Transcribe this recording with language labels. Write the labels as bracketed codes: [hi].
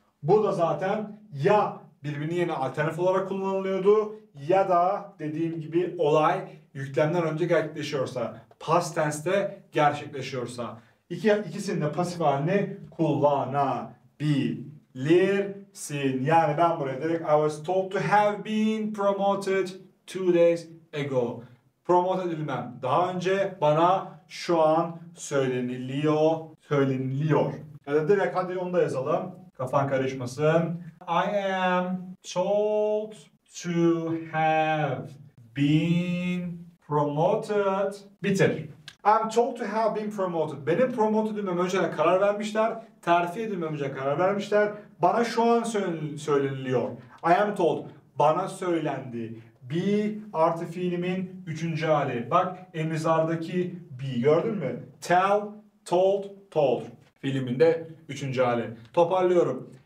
[tr] Bu da zaten ya birbirini yerine alternatif olarak kullanılıyordu ya da dediğim gibi olay yüklemden önce gerçekleşiyorsa, past tense'de gerçekleşiyorsa. İkisinin de pasif halini kullanabilirsin. [en] Yani ben buraya direkt I was told to have been promoted 2 days ago. [tr] Promote edilmem. Daha önce bana şu an söyleniliyor. Ya da direkt hadi onu da yazalım. Kafan karışmasın. [en] I am told to have been promoted. Bitir. I'm told to have been promoted. [tr] Benim promote edilmem önceden karar vermişler. Terfi edilmem önceden karar vermişler. Bana şu an söyleniliyor. I am told. Bana söylendi. Be artı fiilimin üçüncü hali. Bak emizardaki be gördün mü? Tell, told, told. Fiilimin de üçüncü hali. Toparlıyorum.